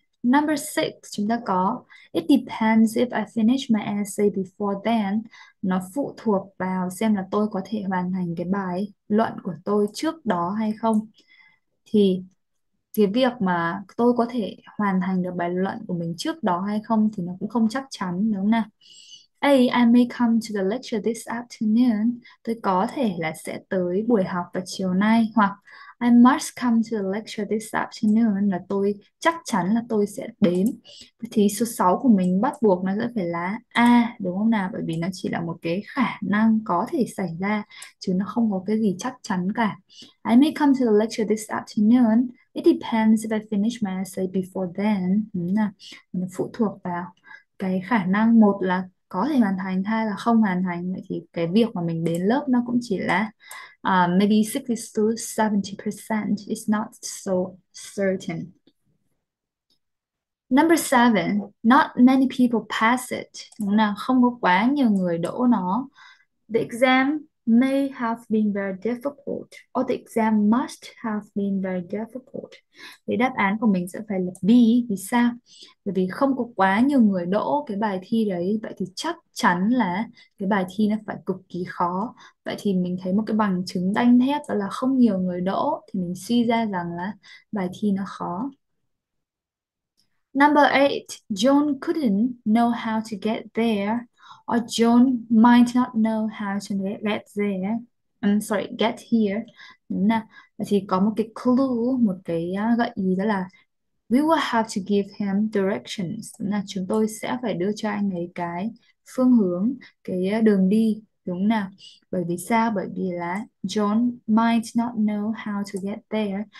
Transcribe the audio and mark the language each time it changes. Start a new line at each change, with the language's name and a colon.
English: Number 6,
Vietnamese: chúng ta có
English: it depends if I finish my essay before then.
Vietnamese: Nó phụ thuộc vào xem là tôi có thể hoàn thành cái bài luận của tôi trước đó hay không. Thì cái việc mà tôi có thể hoàn thành được bài luận của mình trước đó hay không thì nó cũng không chắc chắn, đúng không nào?
English: A, I may come to the lecture this afternoon.
Vietnamese: Tôi có thể là sẽ tới buổi học vào chiều nay, hoặc
English: I must come to the lecture this afternoon,
Vietnamese: là tôi chắc chắn là tôi sẽ đến. Thì số 6 của mình bắt buộc nó sẽ phải là A, đúng không nào? Bởi vì nó chỉ là một cái khả năng có thể xảy ra, chứ nó không có cái gì chắc chắn cả.
English: I may come to the lecture this afternoon. It depends if I finish my essay before then.
Vietnamese: Đúng nào? Nó phụ thuộc vào cái khả năng, một là có thể hoàn thành, hay là không hoàn thành. Vậy thì cái việc mà mình đến lớp nó cũng chỉ là maybe 60-70%,
English: it's not so certain. Number 7, not many people pass it.
Vietnamese: Đúng nào? Không có quá nhiều người đỗ nó.
English: The exam may have been very difficult, or the exam must have been very difficult.
Vietnamese: Thì đáp án của mình sẽ phải là B. Vì sao? Bởi vì không có quá nhiều người đỗ cái bài thi đấy, vậy thì chắc chắn là cái bài thi nó phải cực kỳ khó. Vậy thì mình thấy một cái bằng chứng đanh thép đó là không nhiều người đỗ, thì mình suy ra rằng là bài thi nó khó.
English: Number 8, John couldn't know how to get there. Or John might not know how to get there. I'm sorry, get here.
Vietnamese: Thì có một cái clue, một cái gợi ý đó là
English: we will have to give him directions.
Vietnamese: Là chúng tôi sẽ phải đưa cho anh ấy cái phương hướng, cái đường đi, đúng nào? Bởi vì sao? Bởi vì là
English: John might not know how to get there.